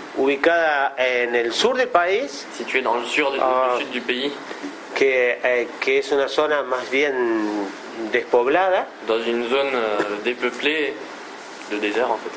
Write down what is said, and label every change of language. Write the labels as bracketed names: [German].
[Spanish] ubicada en el sur del país, [French] située dans le sud du pays, [Spanish] que es una zona más bien despoblada, [French] dans une zone dépeuplée, de désert en fait.